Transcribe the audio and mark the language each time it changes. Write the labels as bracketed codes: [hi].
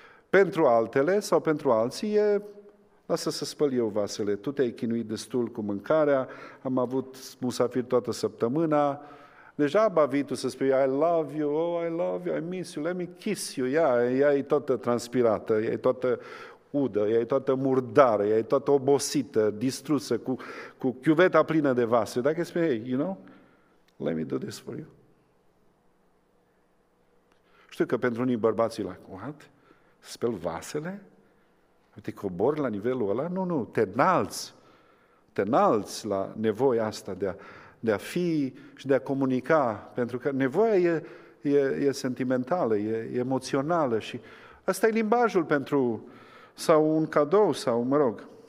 [ro] Pentru altele sau pentru alții e... Lasă să spăl eu vasele, tu te-ai chinuit destul cu mâncarea, am avut musafiri toată săptămâna... Deja abavi tu să spui, [en] I love you, oh, I love you, I miss you, let me kiss you. [ro] Ea e toată transpirată, ea e toată udă, ea e toată murdară, ea e toată obosită, distrusă, cu chiuveta plină de vase. Dacă spui, [en] hey, you know, let me do this for you. [ro] Știu că pentru unii bărbați e [en] like, what? [ro] Spel vasele? Te cobori la nivelul ăla? Nu, te înalți la nevoia asta de a fi și de a comunica, pentru că nevoia e sentimentală, e emoțională și ăsta e limbajul pentru, sau un cadou, sau mă rog.